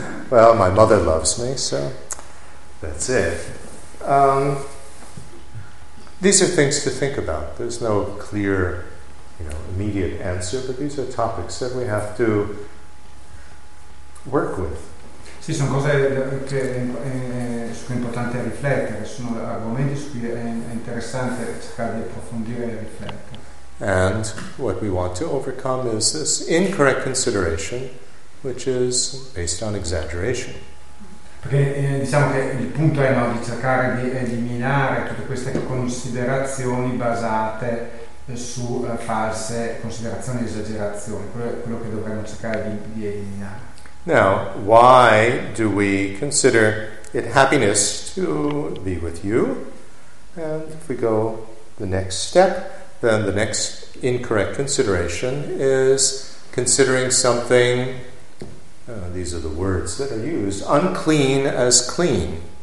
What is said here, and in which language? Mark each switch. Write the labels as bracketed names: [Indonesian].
[English] Well, my mother loves me, so that's it. These are things to think about. There's no clear, you know, immediate answer, but these are topics that we have to work with. [Italian] Sì, sono cose che su cui è importante riflettere, sono argomenti su cui è interessante cercare di approfondire e riflettere. [English] And what we want to overcome is this incorrect consideration, which is based on exaggeration. [Italian] Perché diciamo che il punto è, no, di cercare di eliminare tutte queste considerazioni basate su false considerazioni e esagerazioni. Quello che dovremmo cercare di eliminare. [English] Now, why do we consider it happiness to be with you? And if we go the next step, then the next incorrect consideration is considering something, these are the words that are used, unclean as clean.